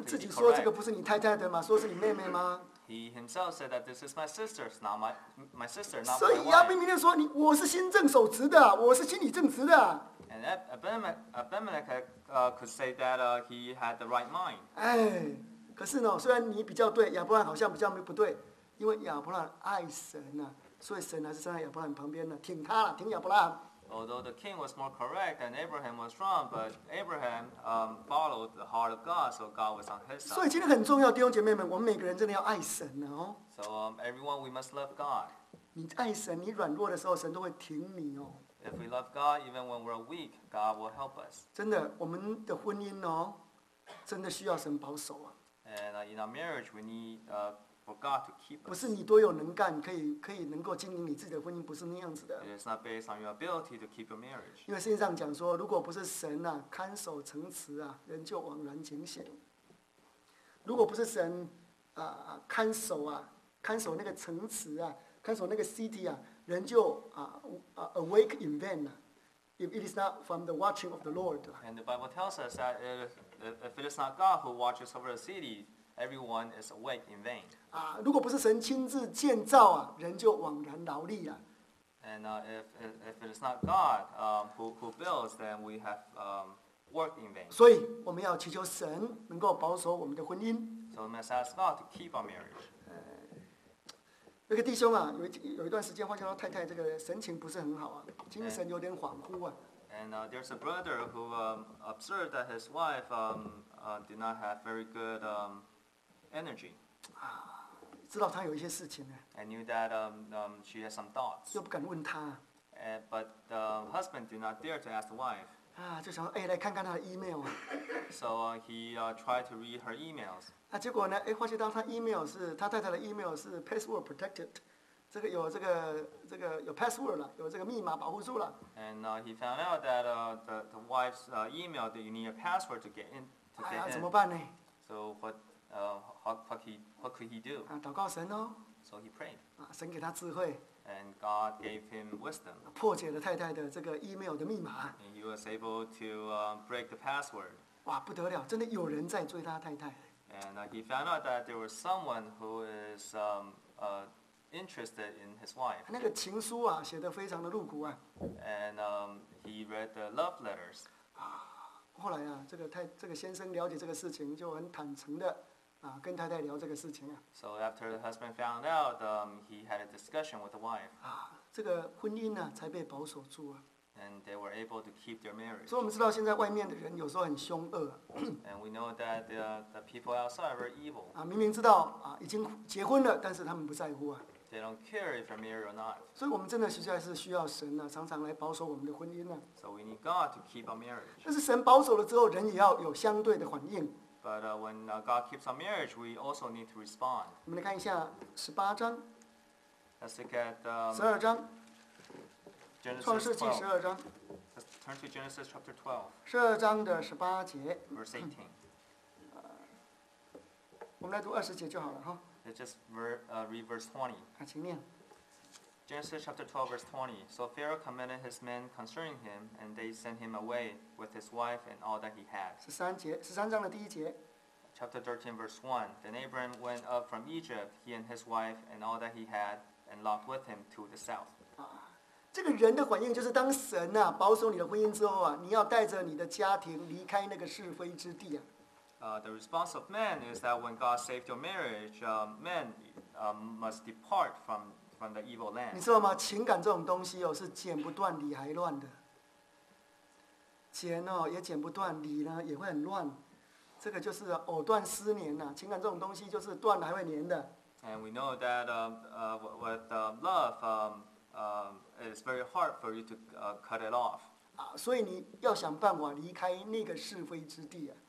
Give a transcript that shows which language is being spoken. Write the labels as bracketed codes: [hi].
[zh] correct. 自己说这个不是你太太的吗？说是你妹妹吗？ [en] He himself said that this is my sister, not my sister, not my wife. [zh] 所以亚伯米勒说你我是心正手直的，我是心里正直的。 [en] And Abimelech could say that he had the right mind. [zh] 哎，可是呢，虽然你比较对，亚伯兰好像比较不对，因为亚伯兰爱神呐、啊，所以神还是站在亚伯兰旁边的，挺他了，挺亚伯兰。 [en] Although the king was more correct and Abraham was wrong, but Abraham followed the heart of God, so God was on his side. [zh] 所以今天很重要，弟兄姐妹们，我们每个人真的要爱神呢、哦、 [en] So everyone, we must love God. [zh] 你爱神，你软弱的时候，神都会挺你哦。 [en] If we love God, even when we're weak, God will help us. [zh] 真的，我们的婚姻哦，真的需要神保守啊。 [en] And in our marriage, we need for God to keep us. [zh] 不是你多有能干，可以能够经营你自己的婚姻，不是那样子的。 [en] It's not based on your ability to keep your marriage. [zh] 因为圣经上讲说，如果不是神呐、啊、看守城池啊，人就枉然警醒。如果不是神啊、看守啊，看守那个城池啊，看守那个 city 啊，人就啊、 [en] awake in vain [zh] 啊。 [en] If it is not from the watching of the Lord. And the Bible tells us that if it is not God who watches over the city. Everyone is awake in vain. [zh] 啊，如果不是神亲自建造啊，人就枉然劳力啊。 [en] And if it is not God, who builds, then we have worked in vain. [zh] 所以我们要祈求神能够保守我们的婚姻。 [en] So we must ask God to keep our marriage. [zh] 那个弟兄啊，有一段时间发现到太太这个神情不是很好啊，精神有点恍惚啊。 [en] And there's a brother who observed that his wife did not have very good energy. [zh] 知道他有一些事情呢。 [en] I knew that she has some thoughts. [zh] 又不敢问他。 [en] But the husband did not dare to ask the wife. [zh] 就想说，来看看他的 email. [en] So he tried to read her emails. [zh] 结果呢，发现到他 email 是他太太的 email 是 [en] password protected， [zh] 这个有这个有 password 了，有这个密码保护住了。 [en] And he found out that the wife's email that you need a password to get in. [zh] 怎么办呢 [en] ？So what? What could he do? [zh] 祷告神哦。 [en] So he prayed. [zh] 神给他智慧。 [en] And God gave him wisdom. [zh] 破解了太太的这个 email 的密码。 [en] And he was able to break the password. [zh] 哇，不得了，真的有人在追他太太。 [en] And he found out that there was someone who is interested in his wife. [zh] 那个情书啊，写得非常的露骨啊。 [en] And he read the love letters. [zh] 后来啊，这个先生了解这个事情，就很坦诚的。跟太太聊这个事情啊。 [en] So after the husband found out, he had a discussion with the wife. [zh] 这个婚姻呢、啊、才被保守住啊。 [en] And they were able to keep their marriage. [zh] 所以我们知道现在外面的人有时候很凶恶、啊。 [en] And we know that the people outside are very evil. [zh] 明明知道已经结婚了，但是他们不在乎啊。 [en] They don't care if you're married or not. [zh] 所以我们真的实在是需要神啊，常常来保守我们的婚姻啊。 [en] So we need God to keep our marriage. [zh] 但是神保守了之后，人也要有相对的反应。 [en] But when God keeps our marriage, we also need to respond. [zh] 我们来看一下十八章。 [en] Let's look at [zh] 十二章。 [en] Genesis 12. [zh] 创世纪十二章。 [en] Let's turn to Genesis chapter 12. [zh] 十二章的十八节。 [en] Verse 18. [zh] 我们来读二十节就好了哈。 [en] Let's just read verse 20. [zh] 请念。 [en] Genesis chapter 12, verse 20. So Pharaoh commanded his men concerning him, and they sent him away with his wife and all that he had. [zh] 13章的第一节。 [en] Chapter 13, verse 1. Then Abram went up from Egypt, he and his wife and all that he had, and Lot with him to the south. [zh] 这个人的反应就是当神啊保守你的婚姻之后啊，你要带着你的家庭离开那个是非之地啊。 [en] The response of man is that when God saved your marriage, man must depart from the evil land. [zh] 你知道吗？情感这种东西哦，是剪不断理还乱的。剪哦也剪不断，理呢也会很乱。这个就是藕断丝连呐，情感这种东西就是断了还会连的。 [en] And we know that with love, it's very hard for you to cut it off. [zh] 所以你要想办法离开那个是非之地啊。